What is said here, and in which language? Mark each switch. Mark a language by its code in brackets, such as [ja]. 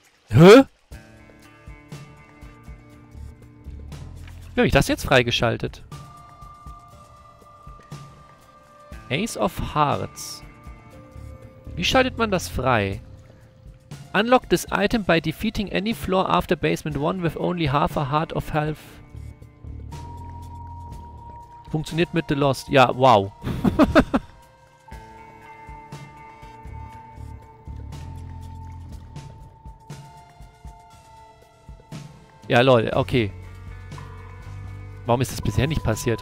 [de] Hä? Wie habe ich das jetzt freigeschaltet? Ace of Hearts. Wie schaltet man das frei? [en] Unlock this item by defeating any floor after basement 1 with only half a heart of health. [de] Funktioniert mit The Lost. Ja, wow. Ja, lol, okay. Warum ist das bisher nicht passiert?